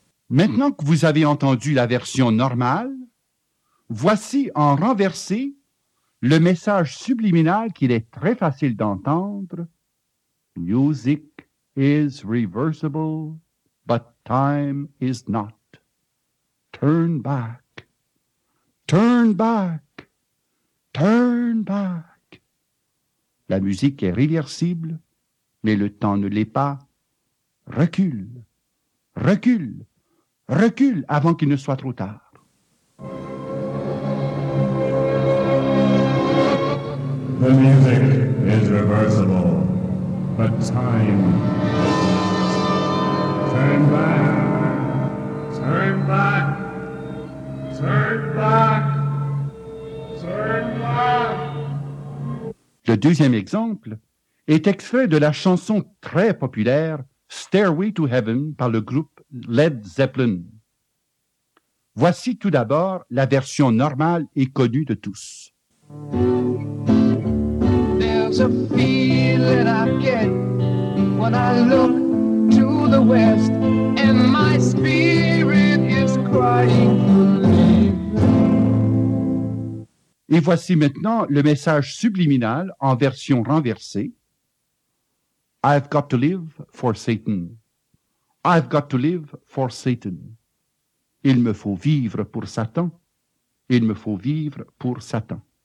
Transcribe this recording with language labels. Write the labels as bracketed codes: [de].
[fr] Maintenant que vous avez entendu la version normale, voici en renversé le message subliminal qu'il est très facile d'entendre. [en] Music is reversible, but time is not. Turn back. Turn back. Turn back. [fr] La musique est réversible, mais le temps ne l'est pas. Recule. Recule. Recule avant qu'il ne soit trop tard. [en] The music is reversible, but time. Turn back, turn back, turn back, turn back. [fr] Le deuxième exemple est extrait de la chanson très populaire Stairway to Heaven par le groupe Led Zeppelin. Voici tout d'abord la version normale et connue de tous. [en] There's a feeling I get when I look to the west and my spirit is crying for me. [fr] Et voici maintenant le message subliminal en version renversée. [en] I've got to live for Satan. I've got to live for Satan. [fr] Il me faut vivre pour Satan. Il me faut vivre pour Satan.